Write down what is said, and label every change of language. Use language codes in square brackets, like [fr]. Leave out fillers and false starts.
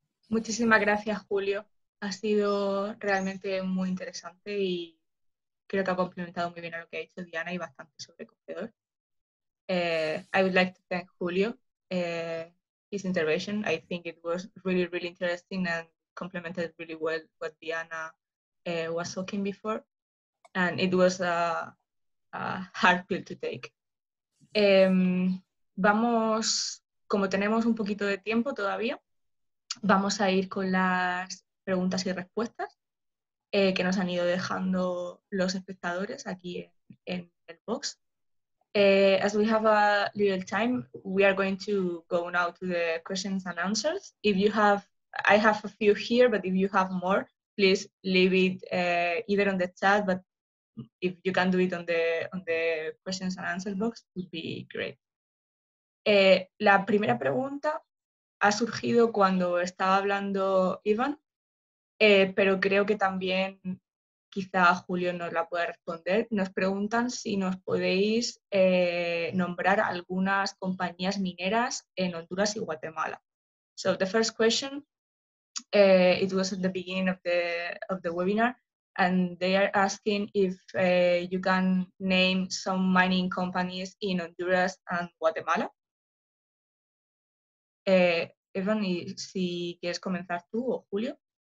[es] Muchísimas gracias, Julio. Ha sido realmente muy interesante y creo que ha complementado muy bien a lo que ha dicho Diana y bastante sobrecogedor. [en] I would like to thank Julio his intervention. I think it was really, really interesting and complemented really well what Diana was talking before. And it was a hard pill to take. [es] Vamos, como tenemos un poquito de tiempo todavía, vamos a ir con las preguntas y respuestas que nos han ido dejando los espectadores aquí en el box. [en] As we have a little time, we are going to go now to the questions and answers. If you have, I have a few here, but if you have more, please leave it either on the chat, but if you can do it on the questions and answers box, would be great. [es] La primera pregunta ha surgido cuando estaba hablando Iván, pero creo que también quizá Julio nos la pueda responder. Nos preguntan si nos podéis nombrar algunas compañías mineras en Honduras y Guatemala. [en] So the first question, it was at the beginning of the webinar, and they are asking if you can name some mining companies in Honduras and Guatemala. [es] Evan, si quieres comenzar tú o Julio.